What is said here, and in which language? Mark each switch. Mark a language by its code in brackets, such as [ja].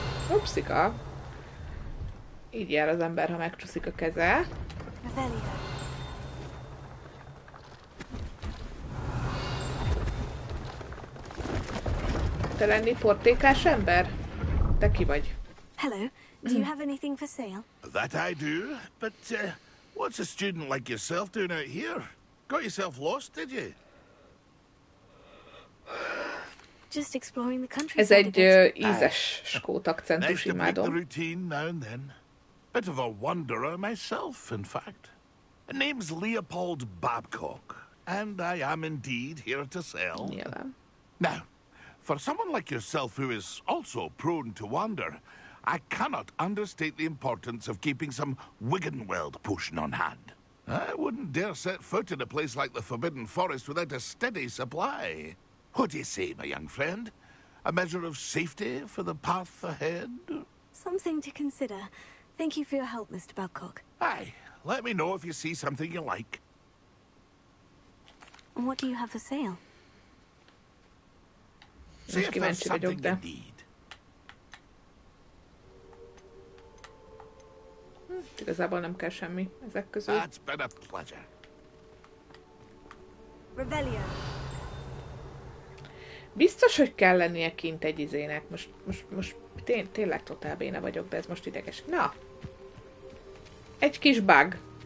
[hu] Upszika! Így jár az ember, ha megcsúszik a keze. Te lenni portékás ember? Te ki vagy? [en] Hello, do you have anything for sale? That I do, but what's a student like yourself doing out here? Got yourself lost, did you? Just exploring the countryside. [hu] Ez egy ízes skót akcentus, imádom. [en] Nice to break the routine now and then. Bit of a wanderer myself, in fact. A name's Leopold Babcock, and I am indeed here to sell. Now, for someone like yourself who is also prone to wander, I cannot understate the importance of keeping some Wiggenweld potion on hand. I wouldn't dare set foot in a place like the Forbidden Forest without a steady supply. What do you say, my young friend? A measure of safety for the path ahead? Something to consider. Thank you for your help, Mr. Babcock. Aye, let me know if you see something you like. What do you have for sale? See if there's something you need. [hu] Igazából nem kell semmi ezek közül. [en] That's been a pleasure. Rebellion. [hu] Biztos, hogy kell lennie kint egy izének. Most tényleg totál béna vagyok, de ez most ideges. Na! Egy kis bug.